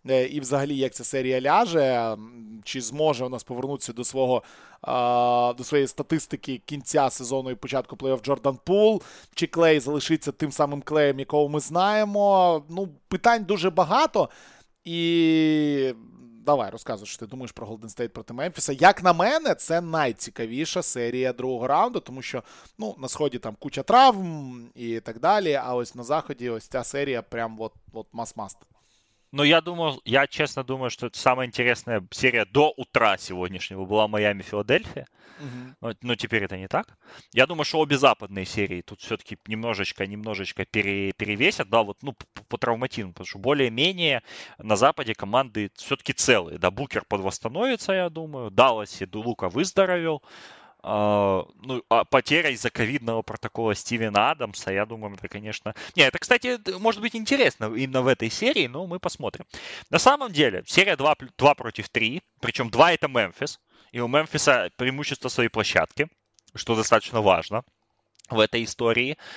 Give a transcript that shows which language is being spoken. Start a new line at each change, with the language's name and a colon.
Ukrainian: і взагалі, як ця серія ляже, чи зможе у нас повернутися до свого, до своєї статистики кінця сезону і початку плей-офф Джордан Пул, чи Клей залишиться тим самим Клеєм, якого ми знаємо, ну, питань дуже багато, і... Давай, розказуй, що ти думаєш про Golden State проти Мемфіса. Як на мене, це найцікавіша серія другого раунду, тому що, ну, на сході там куча травм і так далі, а ось на заході ось ця серія прям от мас-маст. Ну, я думаю, я чесно думаю, що це найінтересніша серія до утра сьогоднішнього була Майами-Філадельфія. Uh-huh. Ну, тепер це не так. Я думаю, що обі западні серії тут все-таки
Russian: немножечко перевесять, да, вот,
Ukrainian: ну, по травматизму, тому що більш-менш на Западі команди все-таки цілі. Да, Букер підвосстановиться, я думаю. Даллас і Лука виздоровів.
Russian: Ну, а потеря из-за ковидного протокола Стивена Адамса, я думаю, это, конечно... Не, это, кстати, может быть интересно именно в этой серии, но мы посмотрим. На самом деле, серия 2, 2 против 3, причем 2 это Мемфис, и у Мемфиса преимущество своей площадки, что достаточно важно в этой истории.